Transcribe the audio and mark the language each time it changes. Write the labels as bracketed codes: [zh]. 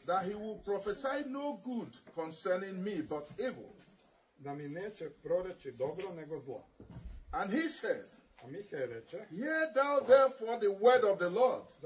[en] that he will prophesy no good concerning me but evil? [hr] Da mi neće proreći dobro nego zlo. [en] And he said, [hr] a Mihaj reče, [en] hear thou therefore the word of the Lord.